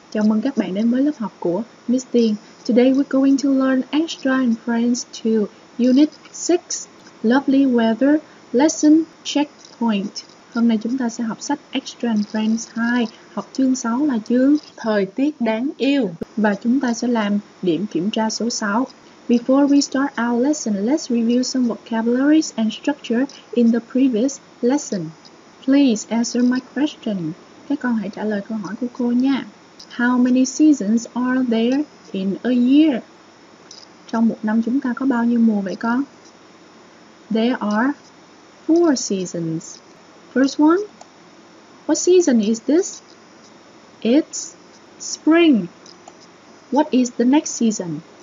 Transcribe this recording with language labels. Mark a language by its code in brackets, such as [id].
[vi] Chào mừng các bạn đến với lớp học của Miss Tien. [en] Today we're going to learn extra in French 2, Unit 6, Lovely Weather, Lesson Checkpoint. [vi] Hôm nay chúng ta sẽ học sách extra in French 2, học chương 6 là chương Thời tiết đáng yêu. Và chúng ta sẽ làm điểm kiểm tra số 6. [en] Before we start our lesson, let's review some vocabularies and structure in the previous lesson. Please answer my question. [vi] Các con hãy trả lời câu hỏi của cô nha. [en] How many seasons are there in a year? [vi] Trong một năm chúng ta có bao nhiêu mùa vậy con? [en] There are four seasons. First one, what season is this? It's spring. What is the next season?